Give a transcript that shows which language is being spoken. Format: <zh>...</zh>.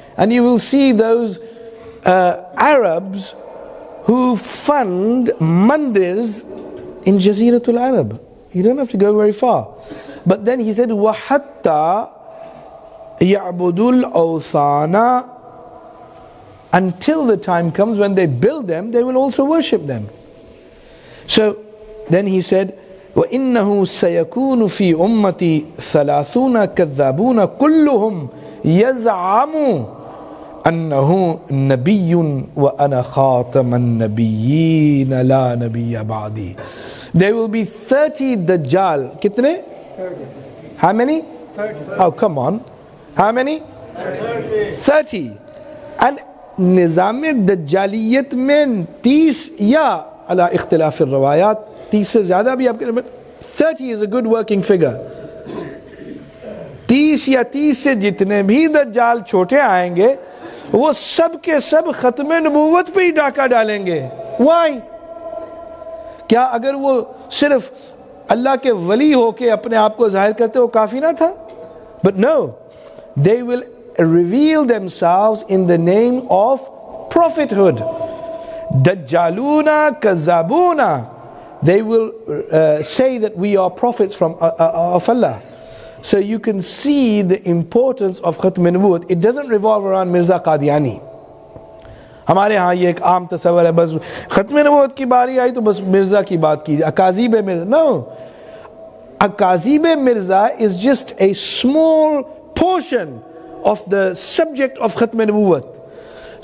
<en>And you will see those Arabs who fund mandirs in Jaziratul Arab. You don't have to go very far. But then he said,</en> <ar>وَحَتَّى يَعْبُدُ الْأَوْثَانَ</ar> <en>Until the time comes when they build them, they will also worship them.</en> <ar>So then he said, وَإِنَّهُ سَيَكُونُ فِي أُمَّتِي ثَلَاثُونَ كَذَّابُونَ كُلُّهُمْ يَزْعَمُ أَنَّهُ نَبِيٌّ وَأَنَا خَاتَمَ النَّبِيِّينَ لَا نَبِيَّ بَعْدِي</ar> <en>There will be 30 Dajjal.</en> <ur>كتنے?</ur> <en>30. How many? 30. Oh, come on. How many? 30. 30. And</en> <ur>نظام دجالیت میں 30 یا على اختلاف الروایات 30 سے زیادہ بھی آپ کے لئے</ur> <en>30 is a good working figure</en> <ur>30 یا 30 سے جتنے بھی دجال چھوٹے آئیں گے وہ سب کے سب ختم نبوت پہ ہی ڈاکہ ڈالیں گے</ur> <en>why</en> <ur>کیا اگر وہ صرف اللہ کے ولی ہو کے اپنے آپ کو ظاہر کرتے وہ کافی نہ تھا</ur> <en>but no they will reveal themselves in the name of prophethood.</en> <ar>Dajjaluna kazabuna.</ar> <en>They will say that we are prophets from of Allah. So you can see the importance of khatm nubuwwat. It doesn't revolve around Mirza Qadiani.</en> <ur>ہمارے ہاں یہ ایک عام تصور ہے بس ختم نبوت کی باری آئی تو بس مرزا کی بات کیجئے اکاذیب Mirza no اکاذیب Mirza is just a small</ur> <en>portion of the subject of Khatm al-Nubuwwat.</en>